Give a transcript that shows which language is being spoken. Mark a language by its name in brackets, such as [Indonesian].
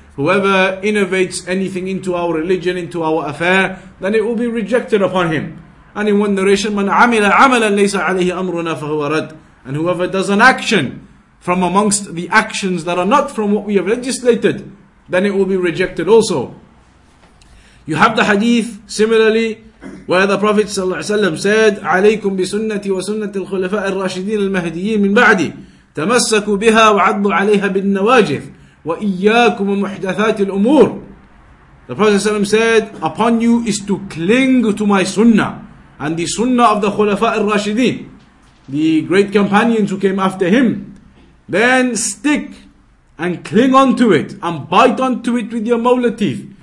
[English] Whoever innovates anything into our religion, into our affair, then it will be rejected upon him. And in one narration, [Arabic] مَنْ عَمِلَ عَمَلًا لَيْسَ عَلَيْهِ أَمْرُنَا فَهُوَ رَدْ. [English] And whoever does an action from amongst the actions that are not from what we have legislated, then it will be rejected also. You have the hadith similarly, where the Prophet ﷺ said, [Arabic] عليكم بسنتي وسنة الخلفاء الراشدين المهديين من بعدي تمسكوا بها وعضوا عليها بالنواجذ وإياكم محدثات الأمور. [English] The Prophet ﷺ said, upon you is to cling to my sunnah and the sunnah of the khulafa al-rashidin, the great companions who came after him. Then stick and cling on to it and bite on to it with your molar teeth.